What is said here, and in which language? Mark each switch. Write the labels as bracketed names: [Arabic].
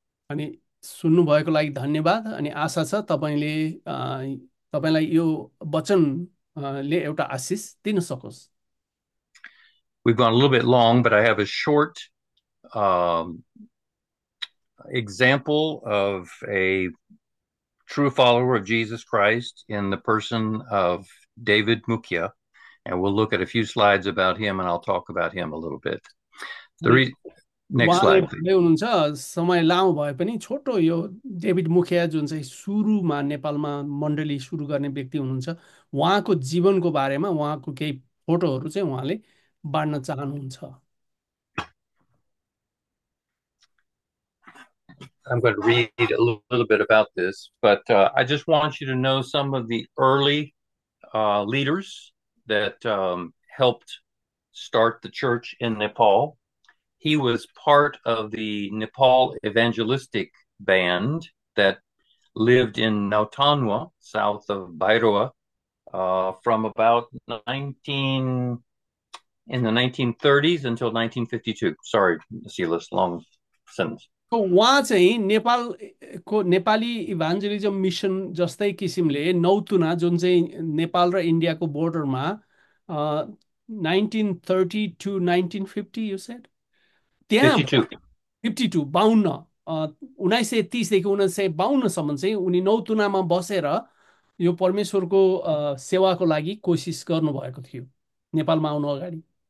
[Nepali] अनि सुन्नुभएको लागि धन्यवाद, अनि आशा छ तपाईँले तपाईँलाई यो वचन ले एउटा आशिष दिन सकोस्। [English] We've gone a little bit long, but I have a short example of a true follower of Jesus Christ in the person of David Mukia. And we'll look at a few slides about him, and I'll talk about him a little bit. The [Nepali] अनि [English] reason next [Nepali] उहाँले [English] Slide please. [Nepali] भन्दै हुनुहुन्छ, समय लामो भए पनि छोटो, यो डेभिड मुखिया जुन चाहिँ सुरुमा नेपालमा मण्डली सुरु गर्ने व्यक्ति हुनुहुन्छ, उहाँको जीवनको बारेमा उहाँको केही फोटोहरू चाहिँ उहाँले बाँड्न चाहनुहुन्छ। [English] I'm going to read a little bit about this, but I just want you to know some of the early leaders that helped start the church in Nepal. He was part of the Nepal Evangelistic Band that lived in Nautanwa, south of Bairoa, from about 19 in the 1930s until 1952. Sorry, Silas, long sentence. [Nepali] उहाँ चाहिँ नेपालको Nepali इभान्जेलिजम mission जस्तै किसिमले नौतुना, जुन चाहिँ नेपाल र इन्डियाको बोर्डरमा 1932-1950 [English] you said, [Nepali] त्यहाँ 52-52 1930 1952 चाहिँ उनी नौतुनामा बसेर यो परमेश्वरको सेवाको लागि कोसिस गर्नुभएको थियो नेपालमा आउनु अगाडि।